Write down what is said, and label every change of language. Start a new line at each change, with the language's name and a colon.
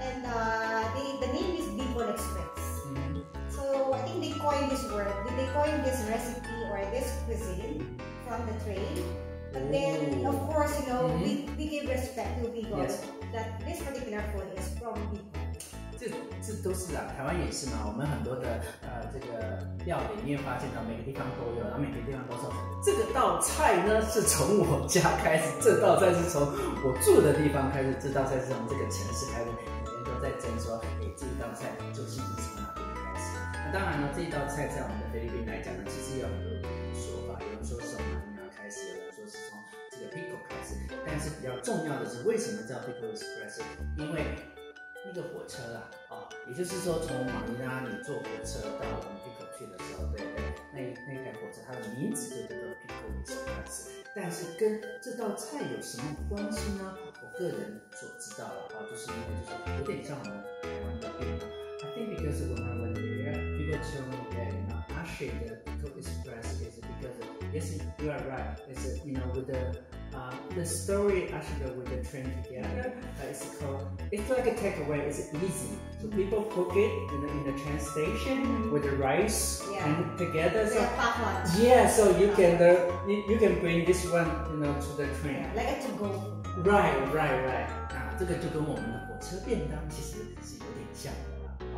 English: And the name is Bicol Express. So I think they coined this word, they coined this recipe or this cuisine from the train. But then, of course, you know, we give respect to Bicol. Yes. That this particular food is from
Chinese: Bicol. 这都是啊，台湾也是嘛。我们很多的这个料理，你也发现到每个地方都有，然后每个地方都说这个道菜呢是从我家开始，这道菜是从我住的地方开始，这道菜是从这个城市开始，每天都在争说，哎，这道菜究竟是从哪里开始？那当然呢，这道菜在我们的菲律宾来讲呢，其实有很多说法，有人说是从哪里开始，有人说是从这个 Bicol 开始，但是比较重要的是，为什么叫 Bicol Express？因为那个火车啊，也就是说从马尼拉你坐火车到我们 Bicol 去的时候，对不对？那台火车它的名字就叫做 Bicol Express， 但是跟这道菜有什么关系呢？我个人所知道的话，就是因为就是有点像我们台湾的便当。
English: I think because when I went there, people told me that you know, actually the Bicol Express is because of, yes, you are right. It's you know with the story actually with the train together, it's called, it's like a takeaway, it's easy. So people cook it in the train station with the rice and together. So, like a pot lunch. Yeah, so you can you can bring this one, you know, to the train. Yeah, like a to-go. Right.
Chinese: 这个就跟我们的火车便当其实是有点像的啦。